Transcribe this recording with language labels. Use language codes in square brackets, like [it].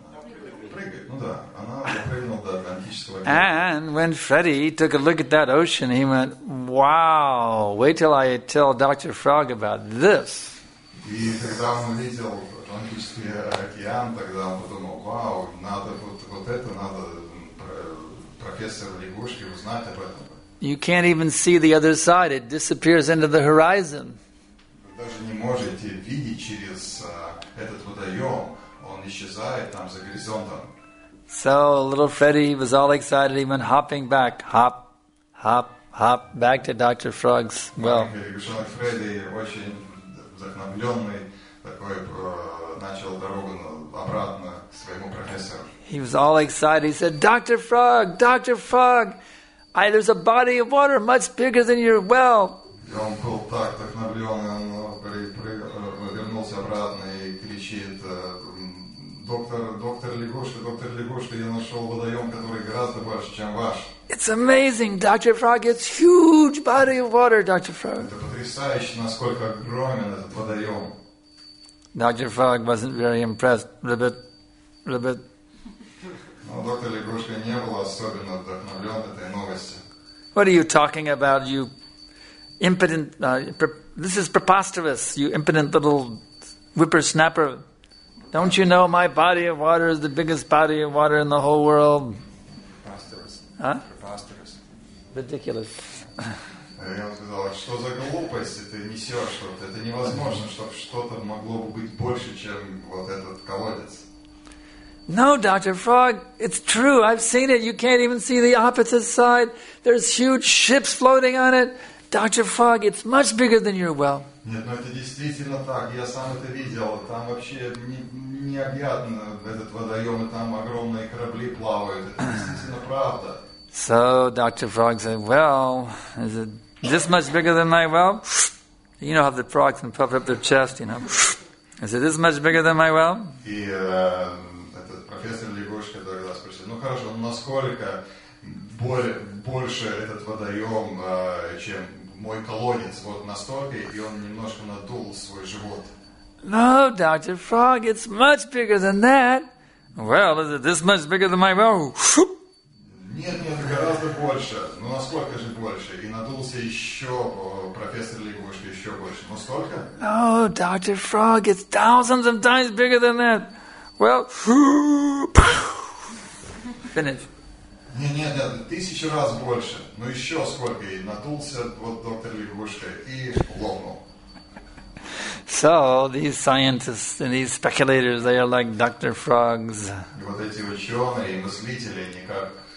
[ru] Она прыгает. Ну да, она прыгнула до Атлантического океана. [en] And when Freddy took a look at that ocean, he went, "Wow! Wait till I tell Dr. Frog about this." [ru] И тогда он увидел Атлантический океан, тогда он подумал, "Вау, надо вот это надо профессору лягушке узнать об этом." [en] You can't even see the other side; it disappears into the horizon. [ru] Даже не можете видеть через этот водоем, он исчезает там за горизонтом. [en] So little Freddy was all excited, even hopping back, hop, hop, hop, back to Dr. Frog's well. [ru] Лягушонок Фредди очень вдохновленный такой начал дорогу обратно к своему профессору. [en] He was all excited. He said, "Dr. Frog, Dr. Frog, there's a body of water much bigger than your well." [ru] И он был так вдохновленный, он вернулся обратно и кричит, доктор лягушка, я нашел водоем, который гораздо больше, чем ваш. [en] It's amazing, Dr. Frog, it's huge body of water, Dr. Frog. [ru] Это потрясающе, насколько огромен этот водоем. [en] Dr. Frog wasn't very impressed, ribbit. [ru] Но доктор лягушка не был особенно вдохновлен этой новостью. [en] What are you talking about, you impotent, this is preposterous, you impotent little whippersnapper. Don't you know my body of water is the biggest body of water in the whole world? Preposterous. Huh? Preposterous. Ridiculous. [ru] Я сказал, что за глупость ты несешь? Вот это невозможно, чтобы что-то могло быть больше, чем вот этот колодец. [en] No, Dr. Frog, it's true. I've seen it. You can't even see the opposite side. There's huge ships floating on it. Dr. Frog, it's much bigger than your well. [ru] Нет, но это действительно так. Я сам это видел. Там вообще необъятно этот водоем, и там огромные корабли плавают. Это действительно правда. [en] So Dr. Frog said, "Well, is it this much bigger than my well?" You know how the frogs can puff up their chest, you know. Is it this much bigger than my well? [ru] И этот профессор лягушка тогда спросил, "Ну хорошо, насколько больше этот водоем, чем мой колодец, вот настолько?" И он немножко надул свой живот. [en] No, Dr. Frog, it's much bigger than that. Well, is it this much bigger than my well? [ru] Нет, гораздо больше. Ну, насколько же больше? И надулся еще профессор лягушка, еще больше. Ну, сколько? [en] No, Dr. Frog, it's thousands of times bigger than that. Well, finish. [ru] Нет, тысячу раз больше. Ну, еще сколько? И надулся вот доктор лягушка и лопнул. [en] So these scientists and these speculators, they are like Dr. Frogs. [ru] Вот эти ученые и мыслители, они как